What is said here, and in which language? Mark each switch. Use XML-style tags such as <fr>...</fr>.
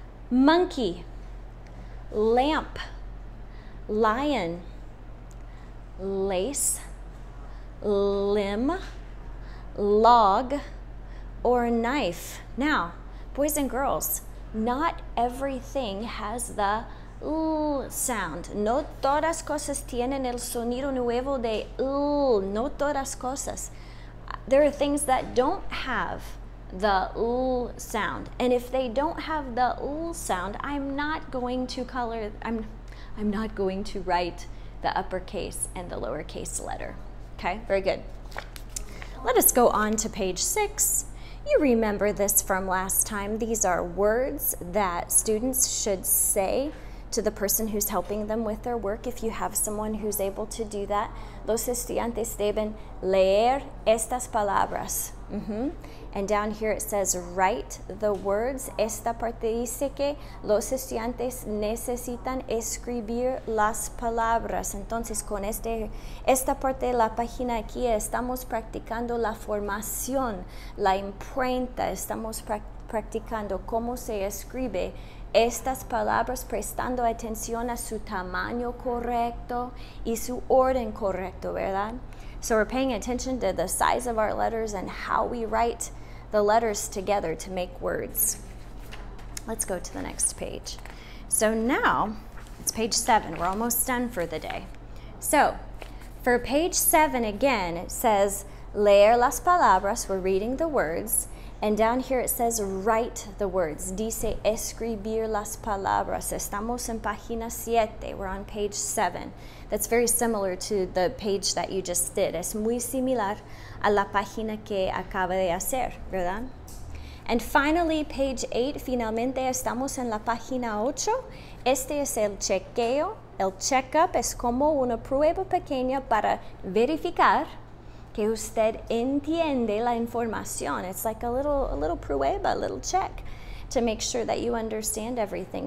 <en>Monkey, lamp, lion, lace, limb, log, or knife. Now, boys and girls, not everything has the L sound.</en> <es>No todas cosas tienen el sonido nuevo de L. No todas cosas.</es> <en>There are things that don't have the L sound. And if they don't have the L sound, I'm not going to write the uppercase and the lowercase letter. Okay, very good. Let us go on to page 6. You remember this from last time. These are words that students should say to the person who's helping them with their work, if you have someone who's able to do that.</en> <es>Los estudiantes deben leer estas palabras. Mm-hmm.</es> <en>And down here it says write the words.</en> <es>Esta parte dice que los estudiantes necesitan escribir las palabras. Entonces, con esta parte de la página aquí, estamos practicando la formación, la imprenta. Estamos practicando cómo se escribe estas palabras, prestando atención a su tamaño correcto y su orden correcto, ¿verdad?</es> <en>So we're paying attention to the size of our letters and how we write the letters together to make words. Let's go to the next page. So now, it's page 7. We're almost done for the day. So, for page 7 again, it says,</en> <es>leer las palabras,</es> <en>we're reading the words. And down here it says, write the words.</en> <es>Dice, escribir las palabras. Estamos en página 7.</es> <en>We're on page 7.</en> <es>That's very similar to the page that you just did. Es muy similar a la página que acaba de hacer, ¿verdad?</es> <en>And finally, page 8.</en> <es>Finalmente, estamos en la página 8. Este es el chequeo. El checkup es como una prueba pequeña para verificar que usted entiende la información.</es> <en>It's like a little prueba, a little check to make sure that you understand everything.</en>